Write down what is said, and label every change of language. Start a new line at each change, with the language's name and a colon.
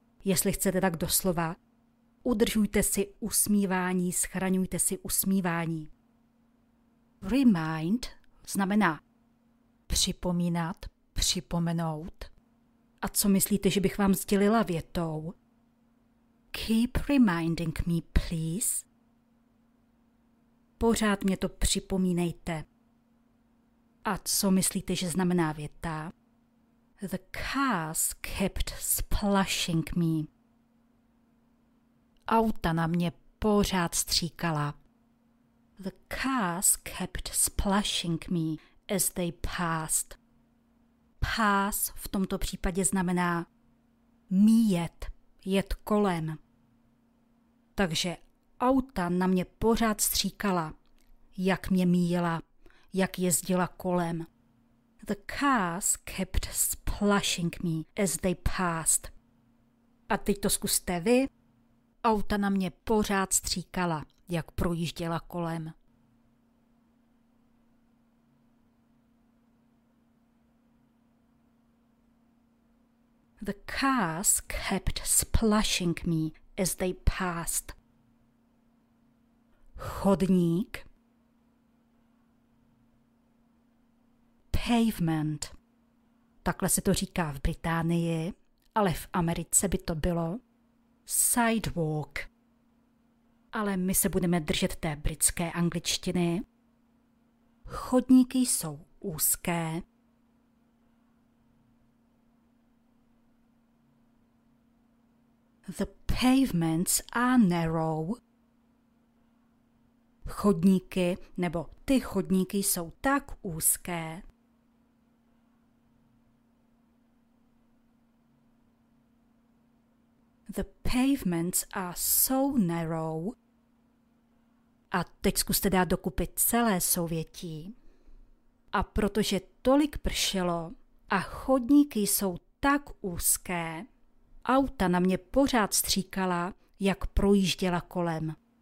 Czech: Jestli chcete tak doslova, udržujte si usmívání, schraňujte si usmívání. Remind znamená připomínat, připomenout. A co myslíte, že bych vám sdělila větou?
English: Keep reminding me, please.
Czech: Pořád mě to připomínejte. A co myslíte, že znamená věta?
English: The cars kept splashing me.
Czech: Auta na mě pořád stříkala.
English: The cars kept splashing me as they passed.
Czech: Pass v tomto případě znamená míjet, jet kolem. Takže auta na mě pořád stříkala, jak mě míjela, jak jezdila kolem.
English: The cars kept splashing me as they passed.
Czech: A teď to zkuste vy. Auta na mě pořád stříkala, jak projížděla kolem.
English: The cars kept splashing me as they passed.
Czech: Chodník.
English: Pavement.
Czech: Takhle se to říká v Británii, ale v Americe by to bylo
English: sidewalk.
Czech: Ale my se budeme držet té britské angličtiny. Chodníky jsou úzké.
English: The pavements are narrow.
Czech: Chodníky nebo ty chodníky jsou tak úzké.
English: The pavements are so narrow.
Czech: A teď zkuste dát dokupy celé souvětí. A protože tolik pršelo a chodníky jsou tak úzké, auta na mě pořád stříkala, jak projížděla kolem.